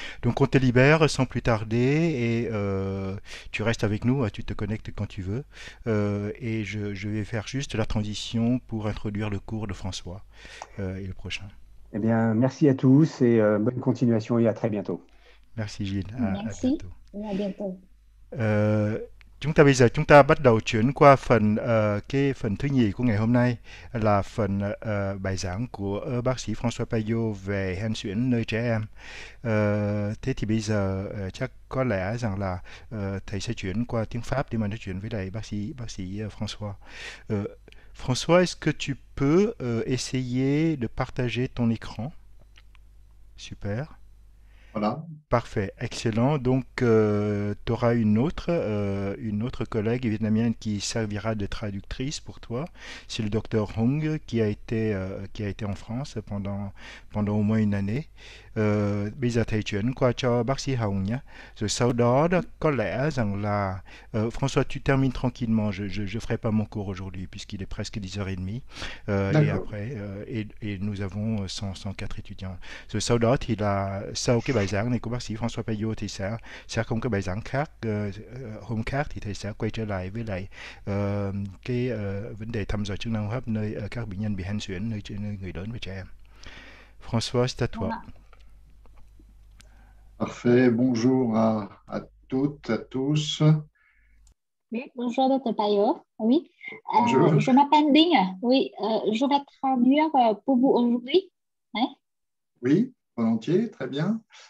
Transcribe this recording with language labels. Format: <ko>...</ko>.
<fr>Donc on te libère sans plus tarder et tu restes avec nous, tu te connectes quand tu veux. Et je vais faire juste la transition pour introduire le cours de François et le prochain. Eh bien, merci à tous et bonne continuation et à très bientôt. Merci Gilles. Merci. À bientôt. Et à bientôt.</fr> <vi>Chúng ta bắt đầu chuyển qua phần cái phần thứ nhì của ngày hôm nay là phần bài giảng của bác sĩ François Payot về hen suyễn nơi trẻ em. Thế thì bây giờ chắc có lẽ rằng là thầy sẽ chuyển qua tiếng Pháp để mà nói chuyện với lại bác sĩ François.</vi> <fr>François, est-ce que tu peux essayer de partager ton écran? Super. Voilà. Parfait, excellent. Donc, tu auras une autre collègue vietnamienne qui servira de traductrice pour toi. C'est le docteur Hong qui a été en France pendant au moins une année.</fr> <vi>Bây giờ thầy chuyển qua cho bác sĩ Hồng nhé. Rồi sau đó, có lẽ rằng là François,</vi> <fr>tu termines tranquillement. Je ferai pas mon cours aujourd'hui puisqu'il est presque 10h30. Et D'accord. après, et nous avons 104 étudiants.</fr> <vi>Rồi sau đó thì là sau cái bài giảng này của bác sĩ François Payot thì sẽ không có bài giảng khác. Hôm khác thì thầy sẽ quay trở lại với lại cái vấn đề thăm dò chức năng hô hấp nơi các bệnh nhân bị hen suyễn nơi người lớn và trẻ em.</vi> <fr>François, c'est à toi. Parfait, bonjour à toutes, à tous. Oui, bonjour, Dr. Payot. Oui, Bonjour. je m'appelle Ding. Oui, je vais traduire pour vous aujourd'hui. Hein? Oui, volontiers, très bien.</fr>